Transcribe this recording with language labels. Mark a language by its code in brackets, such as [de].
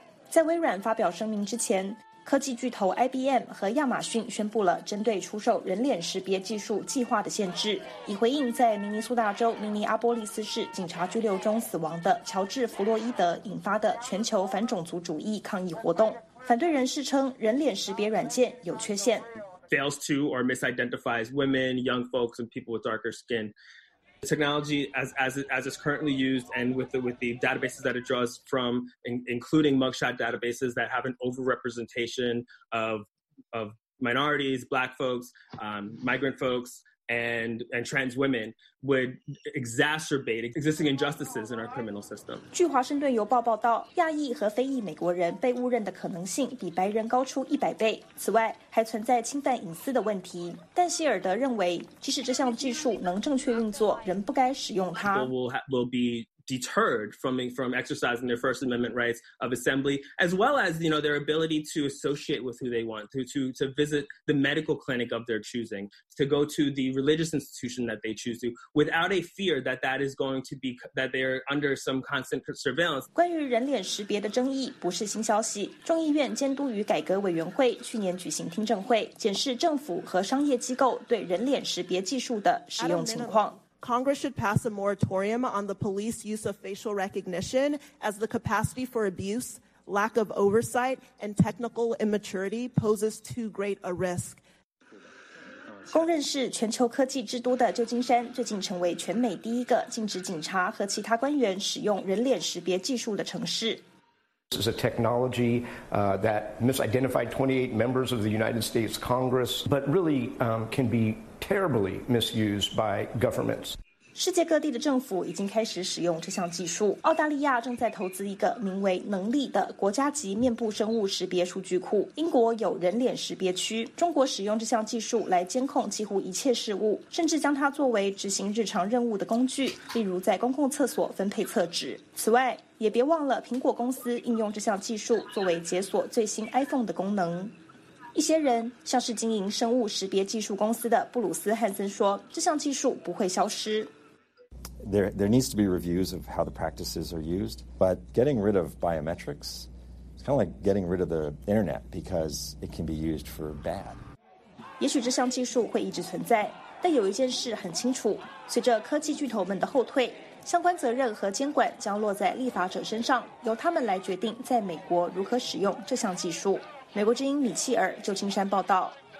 [zh] 在微软发表声明之前，科技巨头 IBM 和亚马逊宣布了针对出售人脸识别技术计划的限制，以回应在明尼苏达州明尼阿波利斯市警察拘留中死亡的乔治·弗洛伊德引发的全球反种族主义抗议活动。反对人士称人脸识别软件有缺陷。 [en] Fails to or misidentifies women, young folks, and people with darker skin. The technology as it's currently used and with the databases that it draws from, including mugshot databases that have an overrepresentation of minorities, black folks, migrant folks, and trans women would exacerbate existing injustices in our criminal system. [zh] 据华盛顿邮报报道，亚裔和非裔美国人被误认的可能性比白人高出100倍。此外，还存在侵犯隐私的问题。但希尔德认为，即使这项技术能正确运作，仍不该使用它。 [en] Will be deterred from exercising their First Amendment rights of assembly, as well as you know their ability to associate with who they want, to visit the medical clinic of their choosing, to go to the religious institution that they choose to, without a fear that is going to be that they're under some constant surveillance. [zh] 关于人脸识别的争议不是新消息。众议院监督与改革委员会去年举行听证会，检视政府和商业机构对人脸识别技术的使用情况。 [en] Congress should pass a moratorium on the police use of facial recognition as the capacity for abuse, lack of oversight, and technical immaturity poses too great a risk. [zh] 公认是全球科技之都的旧金山最近成为全美第一个禁止警察和其他官员使用人脸识别技术的城市。 [en] This is a technology that misidentified 28 members of the United States Congress, but really can be terribly misused by governments. [zh] 世界各地的政府已经开始使用这项技术。澳大利亚正在投资一个名为“能力”的国家级面部生物识别数据库。英国有人脸识别区。中国使用这项技术来监控几乎一切事物，甚至将它作为执行日常任务的工具，例如在公共厕所分配厕纸。此外，也别忘了苹果公司应用这项技术作为解锁最新 iPhone 的功能。一些人，像是经营生物识别技术公司的布鲁斯·汉森说，这项技术不会消失。 [en] There needs to be reviews of how the practices are used, but getting rid of biometrics is kind of like getting rid of the internet because it can be used for bad. [zh] 也许这项技术会一直存在，但有一件事很清楚，随着科技巨头们的后退，相关责任和监管将落在立法者身上，由他们来决定在美国如何使用这项技术。美国之音米切尔旧金山报道。